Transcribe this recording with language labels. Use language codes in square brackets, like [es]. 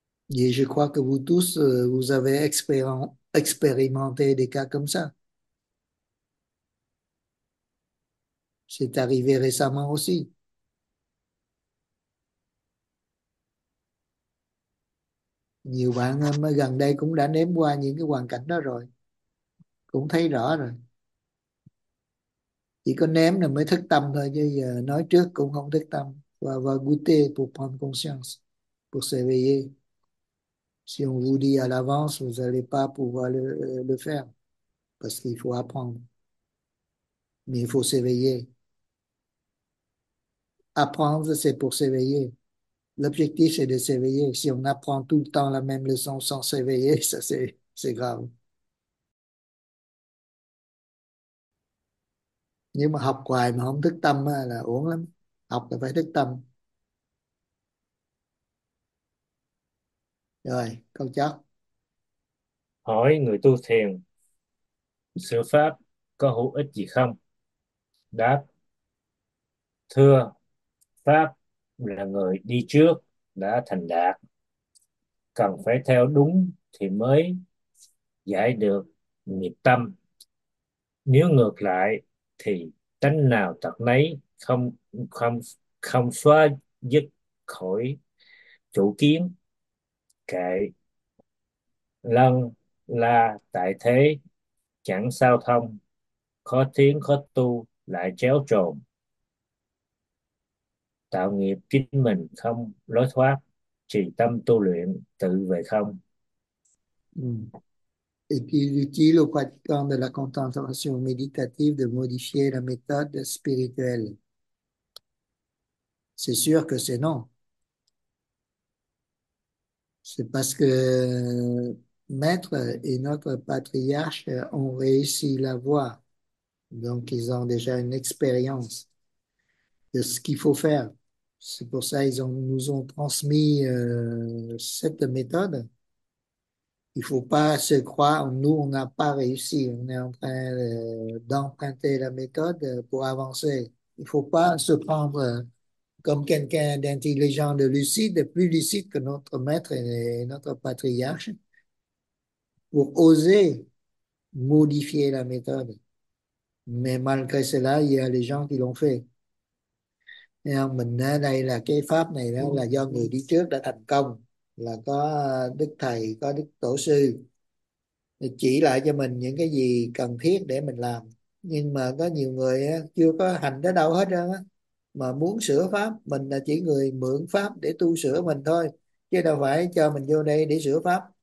[fr] Et je crois que vous tous, vous avez expérimenté des cas comme ça. C'est arrivé récemment aussi. [vi] Nhiều bạn gần đây cũng đã nếm qua những cái hoàn cảnh đó rồi, cũng thấy rõ rồi. Chỉ có nếm là mới thức tâm thôi, chứ giờ nói trước cũng không thức tâm. [fr] Và goûter pour prendre conscience, pour s'éveiller. Si on vous dit à l'avance, vous n'allez pas pouvoir le faire, parce qu'il faut apprendre. Mais il faut s'éveiller. Apprendre, c'est pour s'éveiller. L'objectif, c'est de s'éveiller. Si on apprend tout le temps la même leçon sans s'éveiller, ça, c'est grave. [vi] Nhưng mà học hoài mà không thức tâm là uổng lắm. Học là phải thức tâm. Rồi, câu chót. Hỏi người tu thiền, sự pháp có hữu ích gì không? Đáp, thưa, pháp là người đi trước đã thành đạt, cần phải theo đúng thì mới giải được nghiệp tâm. Nếu ngược lại thì tánh nào tật nấy không không không xóa dứt khỏi chủ kiến kệ lân là tại thế chẳng sao thông, khó tiến khó tu lại chéo trồn, tạo nghiệp chính mình không lối thoát, trì tâm tu luyện tự về không. [fr] Est-il utile aux pratiquants de la contemplation méditative de modifier la méthode spirituelle? C'est sûr que c'est non. C'est parce que Maître et notre patriarche ont réussi la voie. Donc, ils ont déjà une expérience de ce qu'il faut faire. C'est pour ça qu'ils nous ont transmis cette méthode. Il faut pas se croire, nous, on n'a pas réussi, on est en train d'emprunter la méthode pour avancer. Il faut pas se prendre comme quelqu'un d'intelligent, de lucide, de plus lucide que notre maître et notre patriarche, pour oser modifier la méthode. Mais malgré cela, il y a les gens qui l'ont fait. Et en maintenant, [vi] đây là cái pháp này đó là do người đi trước đã thành công, là có đức thầy, có đức tổ sư chỉ lại cho mình những cái gì cần thiết để mình làm. Nhưng mà có nhiều người chưa có hành tới đâu hết trơn á, mà muốn sửa pháp, mình là chỉ người mượn pháp để tu sửa mình thôi, chứ đâu phải cho mình vô đây để sửa pháp.